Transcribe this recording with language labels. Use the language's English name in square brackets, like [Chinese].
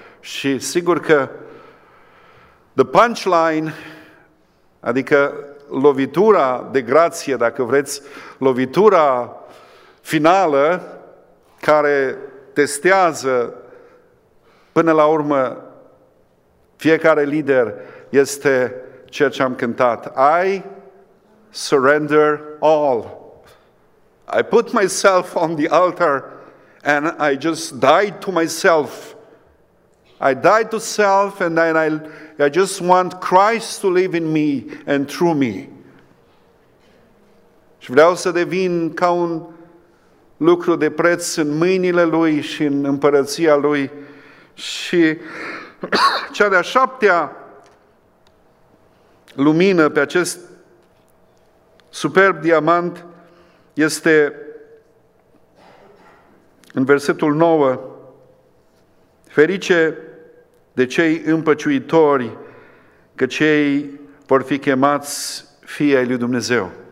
[Romanian] Și sigur că [English] the punchline, [Romanian] adică lovitura de grație, dacă vreți, lovitura finală care testează până la urmă fiecare lider este ceea ce am cântat. [English] I surrender all. I put myself on the altar and I just died to myself. I died to self and then I just want Christ to live in me and through me. [Romanian] Și vreau să devin ca un lucru de preț în mâinile Lui și în împărăția Lui. Și cea de-a șaptea lumină pe acest superb diamant este în versetul 9, ferice de cei împăciuitori, că cei vor fi chemați fii ai lui Dumnezeu.